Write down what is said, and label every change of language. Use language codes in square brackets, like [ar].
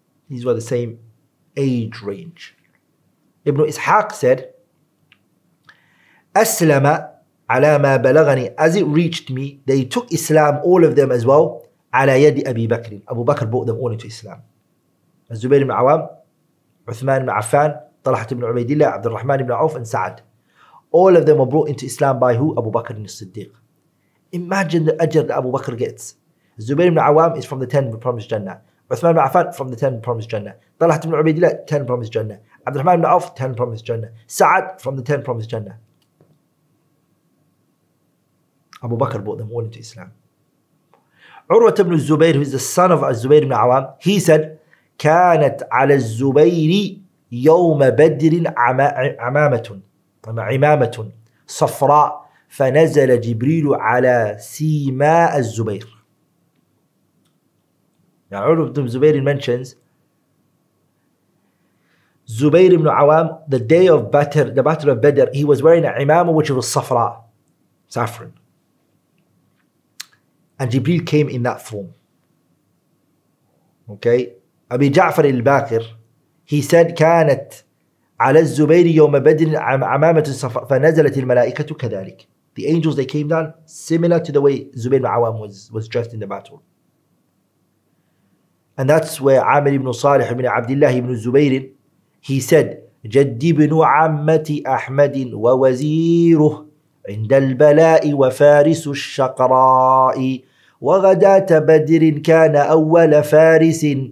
[en] These were the same age range. Ibn Ishaq said, [ar] أسلم على ما بلغني, [en] as it reached me, they took Islam, all of them as well, [ar] على يد أبي بكر. [en] Abu Bakr brought them all into Islam. الزبير بن عوام, عثمان بن عفان, طلحة بن عبيد الله, عبد الرحمن بن عوف, and سعد. All of them were brought into Islam by who? Abu Bakr bin Siddiq. Imagine the ajr that Abu Bakr gets. Zubayr ibn al-Awam is from the 10 who promised Jannah. Uthman ibn Affan from the 10 who promised Jannah. Talhat ibn Ubaidillah, 10 promised Jannah. Abdurrahman ibn Auf, 10 promised Jannah. Sa'ad from the 10 promised Jannah. Abu Bakr brought them all into Islam. Urwat ibn al-Zubayr, who is the son of Zubayr ibn al-Awam, he said, [ar] كانت على الزبير يوم بدر عمامة عمامة صفراء فنزل جبريل على سيماء الزبير. [en] Urwa ibn Zubayr mentions Zubayr ibn al-Awam, the day of Badr, the battle of Badr, he was wearing a imama which was safra, saffron. And Jibreel came in that form. Okay. Abi Ja'far al-Bakir, he said, [ar] كانت على الزبير يوم بدر عمامة صفراء فنزلت الملائكة كذلك. [en] The angels, they came down similar to the way Zubayr ibn al-Awam was dressed in the battle. And that's where Amir ibn Salih ibn Abdullah ibn Zubayr, he said, [ar] جدي بن عمتي أحمد ووزيره عند البلاء وفارس الشقراء وغداة بدر كان أول فارس